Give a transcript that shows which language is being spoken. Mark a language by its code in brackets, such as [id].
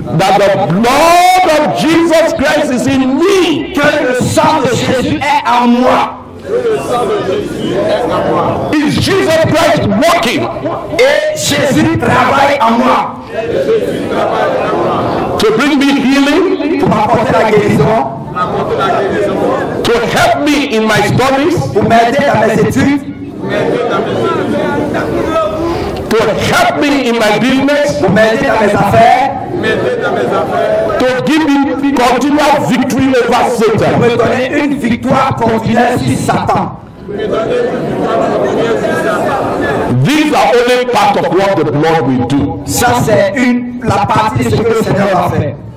[en] That the blood of Jesus Christ is in me. [fr] Que le sang de Jésus est en moi. [en] Is Jesus Christ working? [fr] Et Jésus travaille en moi. [en] To bring me healing, [fr] pour m'apporter la guérison, [en] to help me in my studies, [fr] pour m'aider dans mes études, [en] to help me in my business, [fr] pour m'aider dans mes affaires, [en] to give me continual victory over Satan, [fr] pour me donner une victoire continue sur Satan. [en] These are only part of what the Lord will do. [fr] Ça c'est la partie de ce que le Seigneur va faire.